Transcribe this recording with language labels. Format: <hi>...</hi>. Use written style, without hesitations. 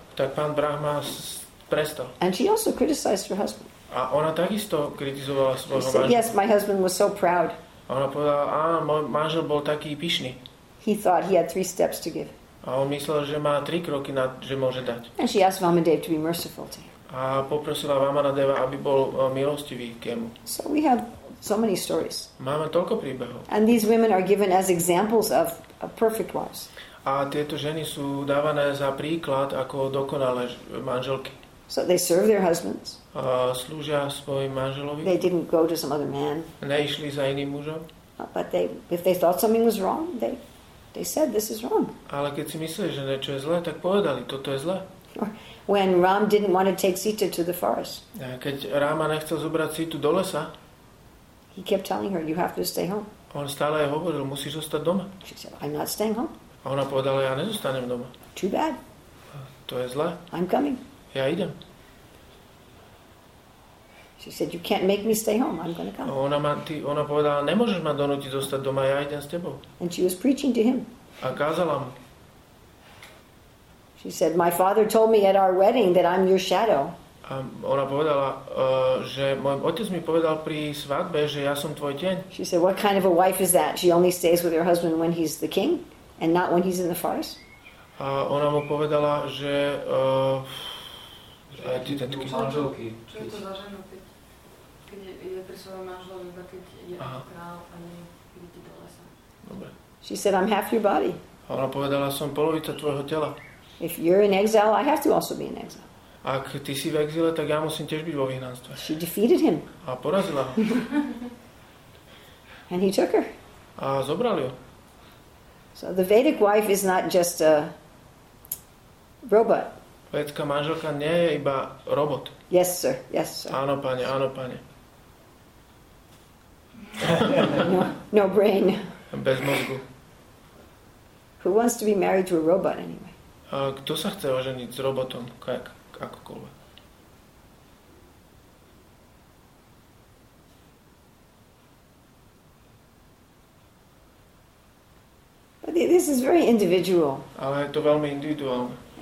<sk>Tak pán Brahma prestal.</sk> <en>And she also criticized her husband.</en> <sk>A ona takisto kritizovala svojho manžela.</sk> <en>Yes, my husband was so proud.</en> <sk>A ona povedala, áno, môj manžel bol taký pyšný.</sk> <en>He thought he had 3 steps to give.</en> <sk>A on myslel, že má 3 kroky, že môže dať.</sk> <en>And she asked Vamadeva to be merciful to him.</en> <sk>A poprosila Vamanadeva, aby bol milostivý k jemu.</sk> <en>So we have so many stories.</en> <sk>Máme toľko príbehov.</sk> <en>And these women are given as examples of perfect wives.</en> <sk>A tieto ženy sú dávané za príklad ako dokonalé manželky.</sk> <en>So they serve their husbands.</en> <sk>Slúžia svojim manželovi.</sk> <en>They didn't go to some other man.</en> <sk>Neišli za iným mužom.</sk> <en>But they, if they thought something was wrong, they said this is wrong.</en> <sk>Ale keď si mysleli, že niečo je zlé, tak povedali, toto je zlé.</sk> <en>When Ram didn't want to take Sita to the forest.</en> <sk>Keď Rama nechcel zobrať Situ do lesa.</sk> <en>He kept telling her, you have to stay home.</en> <sk>On stále jej hovoril, musíš zostať doma.</sk> <en>She said, I'm not staying home.</en> <sk>A ona povedala, ja nezostanem doma.</sk> <en>Too bad.</en> <sk>To je zle.</sk> <en>I'm coming.</en> <sk>Ja idem.</sk> <en>She said, you can't make me stay home. I'm going to come.</en> <sk>Ona povedala, nemôžeš ma donútiť zostať doma, ja idem s tebou.</sk> <en>And she was preaching to him.</en> <sk>A kázala mu.</sk> <en>She said, my father told me at our wedding that I'm your shadow.</en> <sk>A ona povedala, že môj otec mi povedal pri svadbe, že ja som tvoj tieň.</sk> <en>She said, what kind of a wife is that? She only stays with her husband when he's the king and not when he's in the forest.</en> <sk>A ona mu povedala, že že ty ten taký manželky. Čo je to za ženu, keď je pri svojom manželovi, iba keď je král a nie vidí do lesa. Dobre.</sk> <en>She said, I'm half your body.</en> <sk>A ona povedala, som polovica tvojho tela.</sk> <en>If you're in exile, I have to also be in exile.</en> <sk>Ak ty si v exile, tak ja musím tiež byť vo vyhnanstve.</sk> <en>She defeated him.</en> <sk>A porazila ho.</sk> <en>And he took her.</en> <sk>A zobral ju.</sk> <en>So the Vedic wife is not just a robot.</en> <sk>Vedická manželka nie je iba robot.</sk> <en>Yes, sir. Yes, sir.</en> <sk>Áno, pane, áno, pane.</sk> <en>No brain.</en> <sk>Bez mozgu.</sk> <en>Who wants to be married to a robot anyway?</en> <sk>Kto sa chce oženiť s robotom, akokoľvek?</sk> <en>But this is very individual.</en> <sk>Ale je to veľmi individuálne.</sk>